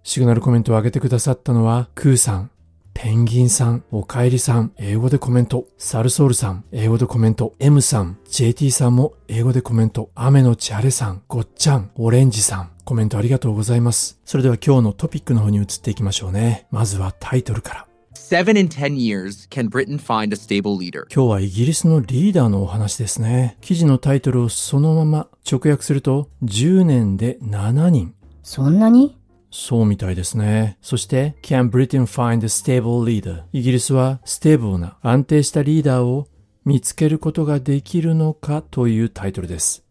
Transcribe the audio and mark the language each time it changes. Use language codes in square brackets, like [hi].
[ja] シグナルコメントを上げてくださったのはクーさん、ペンギンさん、おかえりさん英語でコメント、サルソールさん英語でコメント、 M さん、 JT さんも英語でコメント、雨のち晴れさん、ごっちゃん、オレンジさん、コメントありがとうございます。それでは今日のトピックの方に移っていきましょうね。まずはタイトルから。 [en] 7 in 10 years, can Britain find a stable leader? [ja] 今日はイギリスのリーダーのお話ですね。記事のタイトルをそのまま直訳すると、10年で7人。そんなに？そうみたいですね。そして、 [en] can Britain find a stable leader? [ja] イギリスはステーブルな、安定したリーダーを見つけることができるのか、というタイトルです。